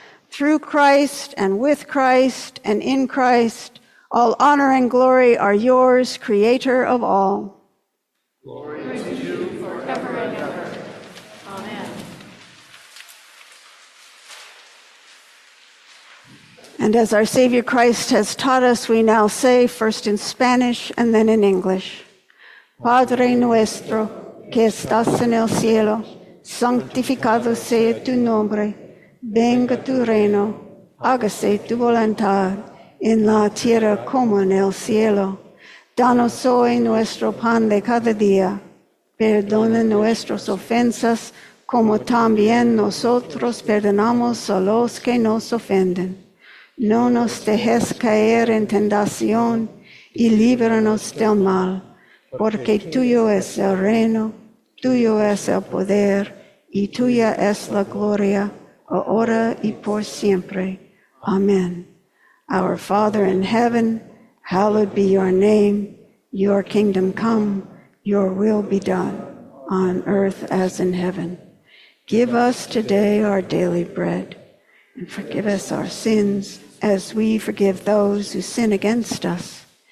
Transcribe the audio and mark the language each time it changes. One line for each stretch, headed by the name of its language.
English: Through Christ and with Christ and in Christ, all honor and glory are yours, Creator of all. Glory. And as our Savior Christ has taught us, we now say, first in Spanish and then in English.
Spanish: Padre nuestro, que estás en el cielo, santificado sea tu nombre, venga tu reino, hágase tu voluntad, en la tierra como en el cielo. Danos hoy nuestro pan de cada día, perdona nuestras ofensas, como también nosotros perdonamos a los que nos ofenden. No nos dejes caer en tentación y líbranos del mal, porque tuyo es el reino, tuyo es el poder y tuya es la gloria, ahora y por siempre.
English: Amen. Our Father in heaven, hallowed be your name. Your kingdom come, your will be done, on earth as in heaven. Give us today our daily bread, and forgive us our sins, as we forgive those who sin against us.